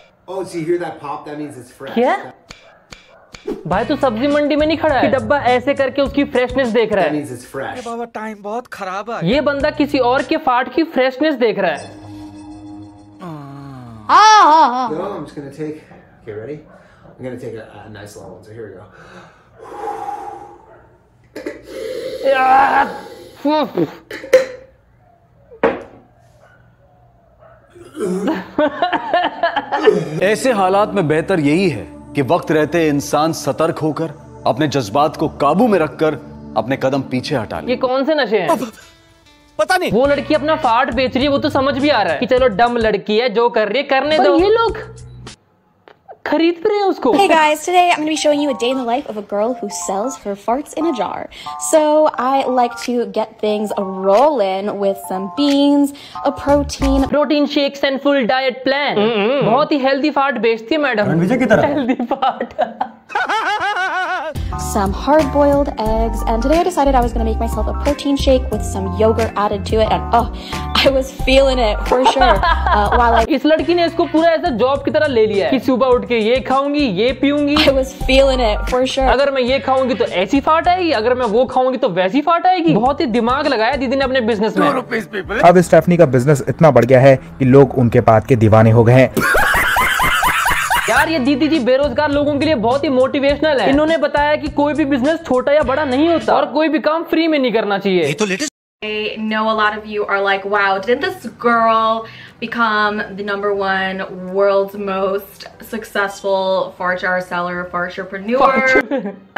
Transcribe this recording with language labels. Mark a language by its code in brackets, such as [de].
[en] Oh, so you hear that pop? That means it's fresh. [hi] क्या? भाई तो सब्जी मंडी में नहीं खड़ा है, डब्बा ऐसे करके उसकी फ्रेशनेस देख रहा है। बाबा टाइम बहुत खराब है, ये बंदा किसी और के फार्ट की फ्रेशनेस देख रहा है। [en] I'm just gonna take. Okay, ready? I'm gonna take a nice long one. So here we go. Yeah. [hi] ऐसे हालात में बेहतर यही है कि वक्त रहते इंसान सतर्क होकर अपने जज्बात को काबू में रखकर अपने कदम पीछे हटा ले। ये कौन से नशे हैं? पता नहीं। वो लड़की अपना फार्ट बेच रही है वो तो समझ भी आ रहा है कि चलो डम लड़की है जो कर रही है करने दो। ये लोग खरीद रहे हैं उसको। [en] Hey guys, today I'm going to be showing you a day in the life of a girl who sells her farts in a jar. So I like to get things rolling with some beans, a protein. Protein shakes and full diet plan. [hi] बहुत ही healthy fart बेचती है madam. Ranveer जी की तरह। Healthy fart. [en] Some hard-boiled eggs, and today I decided I was going to make myself a protein shake with some yogurt added to it, and oh, I was feeling it for sure. [hi] इस लड़की ने इसको पूरा ऐसा job की तरह ले लिया है कि सुबह उठ के ये खाऊंगी, ये पीऊंगी। [en] I was feeling it for sure. [hi] अगर मैं ये खाऊंगी तो ऐसी फाट आएगी, अगर मैं वो खाऊंगी तो वैसी फाट आएगी। बहुत ही दिमाग लगाया दीदी ने अपने बिजनेस में। अब स्टेफनी का बिजनेस इतना बढ़ गया है कि लोग उनके बात के दीवाने हो गए हैं। यार ये दीदी जी बेरोजगार लोगों के लिए बहुत ही मोटिवेशनल है। इन्होंने बताया कि कोई भी बिजनेस छोटा या बड़ा नहीं होता और कोई भी काम फ्री में नहीं करना चाहिए। ये तो latest. [en] I know a lot of you are like, wow, didn't this girl become the number one world's most successful fart jar seller, fartrepreneur?